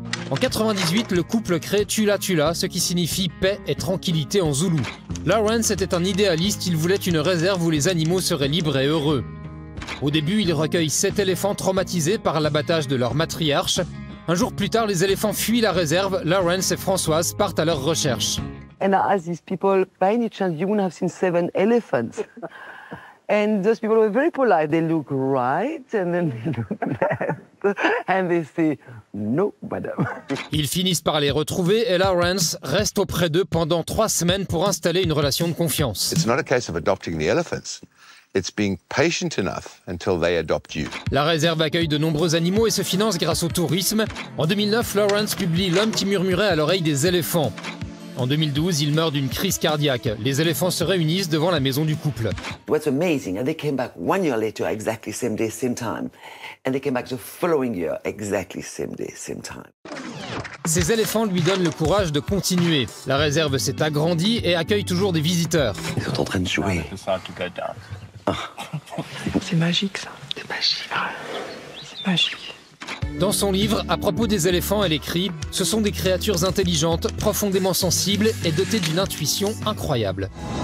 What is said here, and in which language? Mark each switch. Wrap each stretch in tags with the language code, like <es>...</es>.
<fr>En 1998, le couple crée Tula Tula, ce qui signifie « paix et tranquillité » en Zoulou. Lawrence était un idéaliste, il voulait une réserve où les animaux seraient libres et heureux. Au début, il recueille 7 éléphants traumatisés par l'abattage de leur matriarche. Un jour plus tard, les éléphants fuient la réserve. Lawrence et Françoise partent à leur recherche.</fr> <en>And I asked these people, by any chance, you wouldn't have seen 7 elephants? And those people were very polite. They look right, and then they look left. And they say, no, madame.</en> <fr>Ils finissent par les retrouver et Lawrence reste auprès d'eux pendant 3 semaines pour installer une relation de confiance.</fr> <en>It's not a case of adopting the elephants. It's being patient enough until they adopt you.</en> <fr>La réserve accueille de nombreux animaux et se finance grâce au tourisme. En 2009, Lawrence publie « L'homme qui murmurait à l'oreille des éléphants ». En 2012, il meurt d'une crise cardiaque. Les éléphants se réunissent devant la maison du couple.</fr> <en>What's amazing, and they came back 1 year later, exactly same day, same time. And they came back the following year, exactly same day, same time.</en> <fr>Ces éléphants lui donnent le courage de continuer. La réserve s'est agrandie et accueille toujours des visiteurs. Ils sont en train de jouer. C'est magique ça, c'est magique, c'est magique. Dans son livre, à propos des éléphants, elle écrit « Ce sont des créatures intelligentes, profondément sensibles et dotées d'une intuition incroyable. »</fr>